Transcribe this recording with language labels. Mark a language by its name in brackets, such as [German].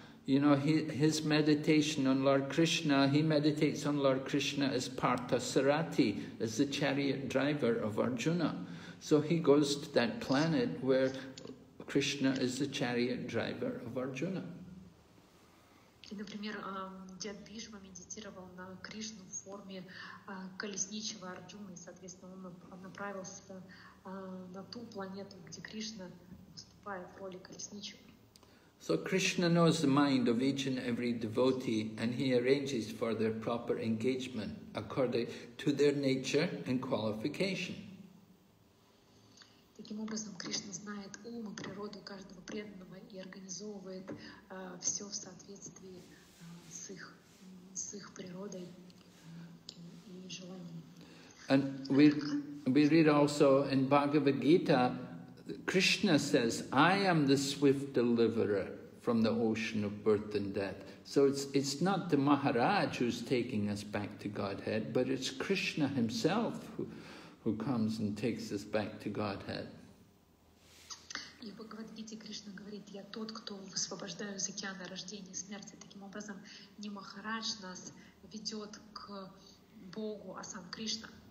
[English] You know, his meditation on Lord Krishna, he meditates on Lord Krishna as Partha Sarathi, as the chariot driver of Arjuna. So he goes to that planet where Krishna is the chariot driver of Arjuna. [Russian] И, например, дед Бишма медитировал на Кришну в форме колесничего Арджуны, соответственно, он направился на ту планету, где Кришна выступает в роли колесничего. [English] So Krishna knows the mind of each and every devotee, and he arranges for their proper engagement according to their nature and qualification. [Russian] Таким образом, Кришна знает ум и природу каждого преданного и организовывает все в соответствии с их природой и желаниями. [English] And we read also in Bhagavad Gita, Krishna says, I am the swift deliverer from the ocean of birth and death. So it's not the Maharaj who's taking us back to Godhead, but it's Krishna himself who comes and takes us back to Godhead. [Russian] И в Бхагавад-гите Кришна говорит, я тот, кто высвобождаю из океана рождения и смерти. Таким образом, не Махарадж нас ведет к Богу, а сам Кришна.